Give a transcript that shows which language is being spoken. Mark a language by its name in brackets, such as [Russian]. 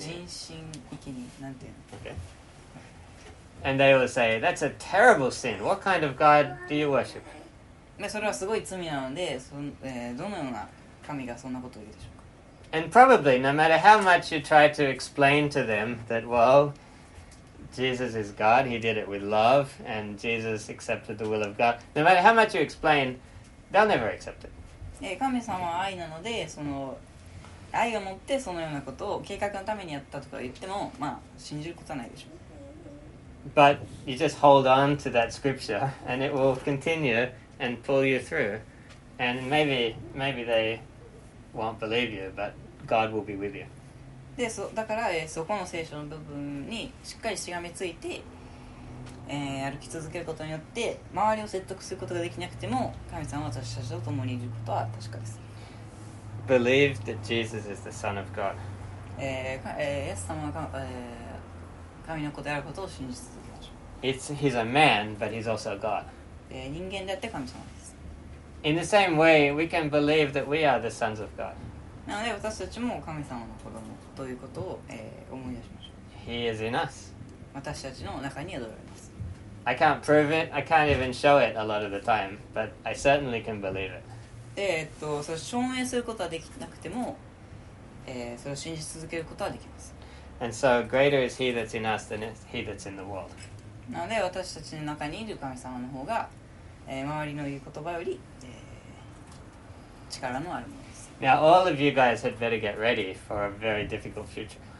[Japanese] 人身生贄、なんていうの。 [English] Okay. And they will say, that's a terrible sin. What kind of God do you worship? [Japanese] で、それはすごい罪なので、どのような神がそんなことを言うでしょうか。 [English] And probably, no matter how much you try to explain to them that, well, Jesus is God, he did it with love, and Jesus accepted the will of God, no matter how much you explain, they'll never accept it. [Japanese] 神様は愛なので、その愛を持ってそのようなことを計画のためにやったとか言っても、まあ、信じることはないでしょう。 [English] But you just hold on to that scripture, and it will continue and pull you through, and maybe they... won't believe you, but God will be with you. [Japanese] で、だから、そこの聖書の部分にしっかりしがみついて、歩き続けることによって、周りを説得することができなくても、神様は私たちと共にいることは確かです。 [English] Believe that Jesus is the Son of God. [Japanese] イエス様は、神の子であることを信じ続けましょう。 [English] He's a man, but he's also God. [Japanese] 人間であって神様です。 [English] In the same way, we can believe that we are the sons of God. [Japanese] なので私たちも神様の子供ということを、思い出しましょう。 [English] He is in us. [Japanese] 私たちの中に宿られます。 [English] I can't prove it, I can't even show it a lot of the time, but I certainly can believe it. [Japanese] それ証明することはできなくても、それを信じ続けることはできます。 [English] And so greater is He that's in us than He that's in the world. [Japanese] なので私たちの中にいる神様の方が、周りの言う言葉より、力のあるものです。 [English] Now, all of you guys had better get ready for a very difficult future.